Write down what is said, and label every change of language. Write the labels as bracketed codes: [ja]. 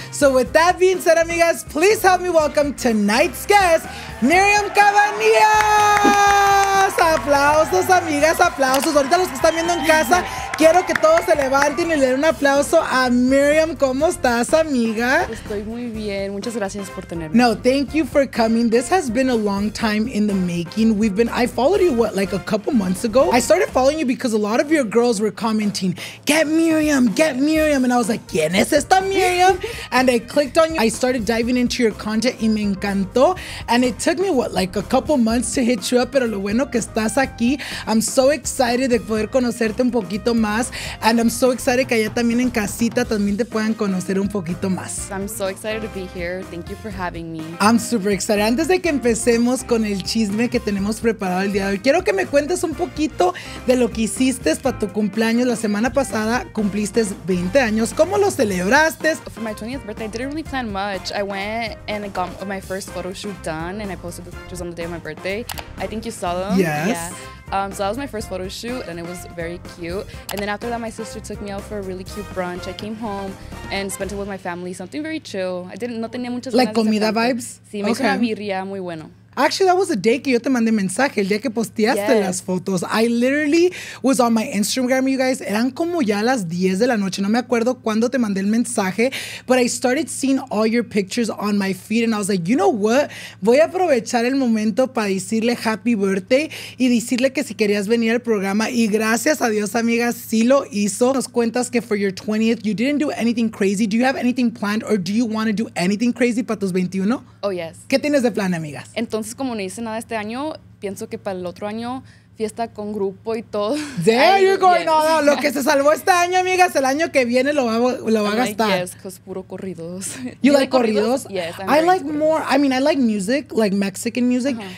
[en] So with that being said, amigas, please help me welcome tonight's guest, Miriam Cabanillas. [es] Aplausos, amigas, aplausos. Ahorita los que están viendo en casa, quiero que todos se levanten y le den un aplauso a Miriam. ¿Cómo estás, amiga? Estoy muy bien. Muchas gracias por tenerme. [en] No, thank you for coming. This has been a long time in the making. I followed you, like a couple months ago? I started following you because a lot of your girls were commenting, get Miriam, get Miriam. And I was like, [es] ¿quién es esta Miriam? [en] And I clicked on you. I started diving into your content [es] y me encantó. [en] And it took me, a couple months to hit you up. [es] Pero lo bueno que estás aquí. [en] I'm so excited [es] de poder conocerte un poquito más. [en] And I'm so excited [es] que allá también en casita también te puedan conocer un poquito más. [en] I'm so excited to be here. Thank you for having me. I'm super excited. [es] Antes de que empecemos con el chisme que tenemos preparado el día de hoy, quiero que me cuentes un poquito de lo que hiciste para tu cumpleaños. La semana pasada cumpliste 20 años. ¿Cómo lo celebraste? [en] For my 20th birthday, I didn't really plan much. I went and I got my first photo shoot done and I posted the pictures on the day of my birthday. I think you saw them. Yes. Yeah. So that was my first photo shoot, and it was very cute. And then after that, my sister took me out for a really cute brunch. I came home and spent it with my family, something very chill. I didn't, [es] no tenía muchas [en] like comida de vibes? [es] Sí, me hizo una birria muy bueno. [en] Actually, that was the day [es] que yo te mandé mensaje, el día que posteaste [en] yes. [es] las fotos. [en] I literally was on my Instagram, you guys. [es] Eran como ya las 10 de la noche. No me acuerdo cuándo te mandé el mensaje, [en] but I started seeing all your pictures on my feed, and I was like, you know what? [es] Voy a aprovechar el momento para decirle [en] happy birthday [es] y decirle que si querías venir al programa. Y gracias a Dios, amigas, sí lo hizo. Nos cuentas que [en] for your 20th, you didn't do anything crazy. Do you have anything planned or do you want to do anything crazy [es] para tus 21? [en] Oh, yes. [es] ¿Qué tienes de plan, amigas? Entonces, como no hice nada este año, pienso que para el otro año, fiesta con grupo y todo. [en] There you go. Yes. [es] No, no, lo que se salvó este año, amigas, el año que viene lo va a gastar. [en] Yes, because puro corridos. You like corridos? Yes. I like more, I mean, I like music, like Mexican music, uh-huh.